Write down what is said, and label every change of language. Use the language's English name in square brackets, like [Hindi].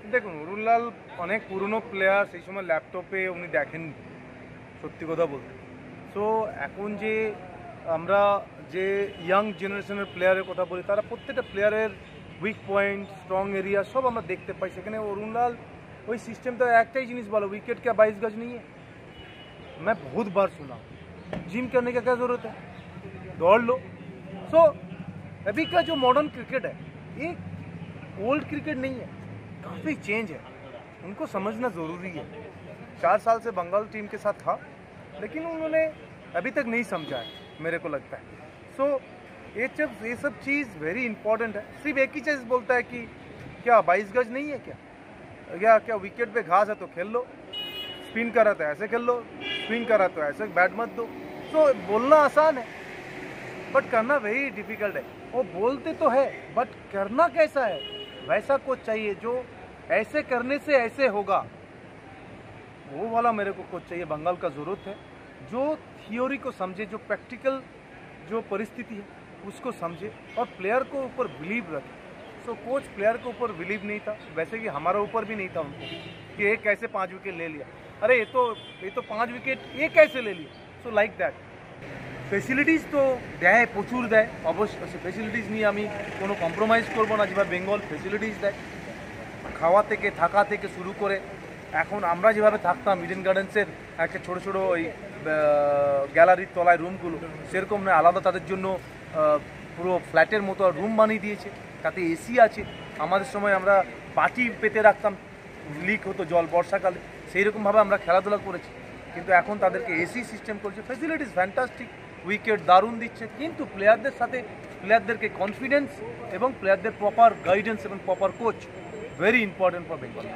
[Bangla] দেখুন, অরুণ লাল অনেক পুরনো প্লেয়ার, সেই সময় ল্যাপটপে উনি দেখেননি সত্যি কথা বলতে, সো এখন যে আমরা যে ইয়াং জেনারেশনের প্লেয়ারের কথা বলি, তারা প্রত্যেকটা প্লেয়ারের উইক পয়েন্ট, স্ট্রং এরিয়া সব আমরা দেখতে পাই, সেখানে অরুণ লাল ওই সিস্টেমটা একটাই জিনিস বলো, উইকেট কে 22 গজ নিয়ে, মানে বহুত বার শুনলাম, [Hindi] জিম করনে কে ক্যা জরুরত হ্যাঁ, দৌড় লো। সো अभी का जो मॉडर्न क्रिकेट है ये ओल्ड क्रिकेट नहीं है, काफ़ी चेंज है, उनको समझना ज़रूरी है। 4 साल से बंगाल टीम के साथ था लेकिन उन्होंने अभी तक नहीं समझा है मेरे को लगता है। सो ये सब चीज़ वेरी इंपॉर्टेंट है। सिर्फ एक ही चीज़ बोलता है कि क्या 22 गज नहीं है क्या, या क्या विकेट पे घास है तो खेल लो, स्पिन करा तो ऐसे खेल लो, स्विंग करा तो ऐसे बैट मत दो। सो बोलना आसान है बट करना वेरी डिफिकल्ट है, वो बोलते तो है बट करना कैसा है, वैसा कोच चाहिए जो ऐसे करने से ऐसे होगा, वो वाला मेरे को कोच चाहिए, बंगाल का जरूरत है, जो थियोरी को समझे, जो प्रैक्टिकल जो परिस्थिति है उसको समझे और प्लेयर को ऊपर बिलीव रखे। सो कोच प्लेयर के ऊपर बिलीव नहीं था, वैसे कि हमारे ऊपर भी नहीं था उनको कि एक कैसे 5 विकेट ले लिया, अरे ये तो 5 विकेट ये कैसे ले लिया, सो लाइक दैट। [Bangla] ফেসিলিটিস তো দেয়, প্রচুর দেয় অবশ্য, ফেসিলিটিস নিয়ে আমি কোনো কম্প্রোমাইজ করবো না, যেভাবে বেঙ্গল ফেসিলিটিস দেয়, খাওয়া থেকে, থাকা থেকে শুরু করে, এখন আমরা যেভাবে থাকতাম ইডেন গার্ডেন্সের একটা ছোটো ছোটো ওই গ্যালারির তলায় রুমগুলো, সেরকম নয়, আলাদা তাদের জন্য পুরো ফ্ল্যাটের মতো রুম বানিয়ে দিয়েছে, তাতে এসি আছে, আমাদের সময় আমরা বাটি পেতে রাখতাম, লিক হতো জল বর্ষাকালে, সেই রকমভাবে আমরা খেলাধুলা করেছি, কিন্তু এখন তাদেরকে এসি সিস্টেম করছে, ফেসিলিটিস ফ্যান্টাস্টিক, উইকেট দারুণ দিচ্ছে, কিন্তু প্লেয়ারদের সাথে প্লেয়ারদেরকে কনফিডেন্স এবং প্লেয়ারদের প্রপার গাইডেন্স এবং proper coach very important for Bengal.